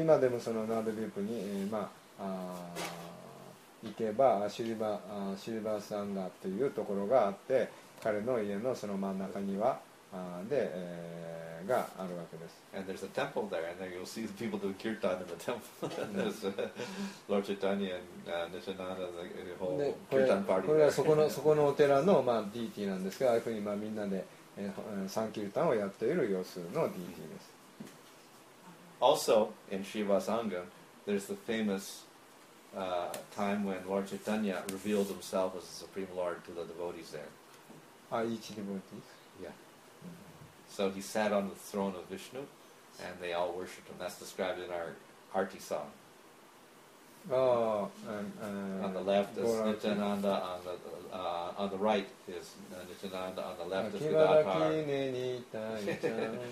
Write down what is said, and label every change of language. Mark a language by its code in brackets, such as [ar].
[ja] 今でもそのナードビープに、まあ行けばシュリバーサンガというところがあって彼の家のその真ん中庭で、があるわけです。 [en] And there's a temple there, and there you'll see the people doing kirtan in the temple. There's Lord Chaitanya and Nityananda, the whole kirtan party. [ja] これはそこのお寺の、まあ、DT なんですけど、ああいうふうに、まあ、みんなで、サンキルタンをやっている様子の DT です。 [en] Also in Shiva Sangha. There's the famous time when Lord Chaitanya revealed himself as the Supreme Lord to the devotees there. Each devotee? Yeah. So he sat on the throne of Vishnu, and they all worshipped him. That's described in our Arti song. On the left is Nityananda, on the right is Nityananda, on the left is Gadadhar.